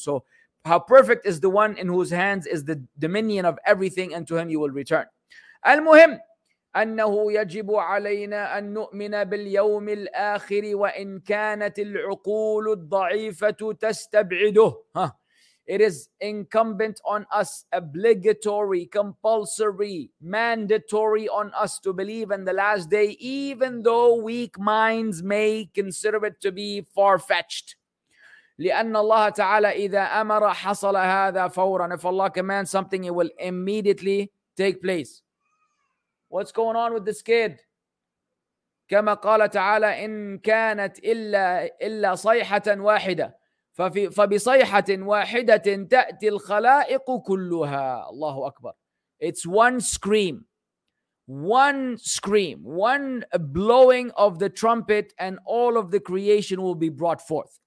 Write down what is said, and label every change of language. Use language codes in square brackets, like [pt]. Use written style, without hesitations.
[en] So how perfect is the one in whose hands is the dominion of everything, and to him you will return. [ar] المهم أنه يجب علينا أن نؤمن باليوم الآخر وإن كانت العقول الضعيفة تستبعده. [en] It is incumbent on us, obligatory, compulsory, mandatory on us to believe in the last day, even though weak minds may consider it to be far-fetched. [ar] لأن الله تعالى إذا أمر حصل هذا فورا. [en] If Allah commands something, it will immediately take place. What's going on with this kid? [ar] كما قال تعالى إن كانت إلا صيحة واحدة فبصيحة واحدة تأتي الخلائق كلها. الله أكبر. [en] It's one scream, one blowing of the trumpet and all of the creation will be brought forth.